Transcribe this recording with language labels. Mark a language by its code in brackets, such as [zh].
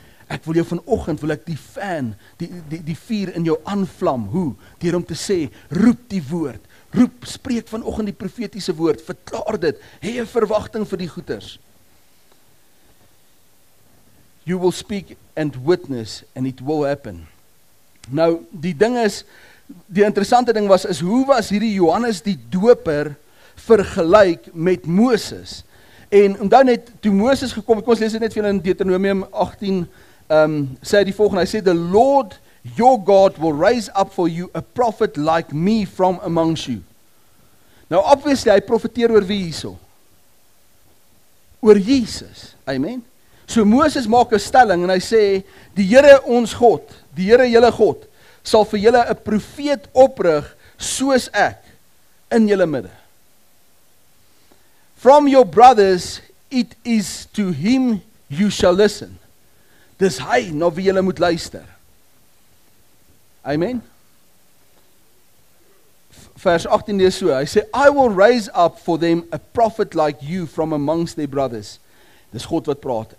[af] Ek wil jou vanoggend, wil ek die fan, die vuur in jou aanvlam. Hoe? Deur om te sê, roep die woord. Roep, spreek vanoggend die profetiese woord. Verklaar dit. Hê 'n verwagting vir die goeders. [en] You will speak and witness and it will happen. [af] Nou, die ding is, die interessante ding was, is hoe was hierdie Johannes die Doper vergelyk met Moses? En onthou net, toe Moses gekom het, kom ons lees dit net vir julle in Deuteronomium 18, sê hy die volgende, hy sê, [en] the Lord your God will raise up for you a prophet like me from amongst you. [af] Nou, obviously, hy profeteer oor wie hierso? Oor Jesus, amen. So Moses maak 'n stelling en hy sê, die Here ons God, die Here julle God, sal vir julle 'n profeet oprig soos ek in julle midde. [en] From your brothers it is to him you shall listen. [af] Dis hy na wie julle moet luister. Amen. Vers 18 lees so, hy sê, [en] I will raise up for them a prophet like you from amongst their brothers. [af] Dis God wat praat.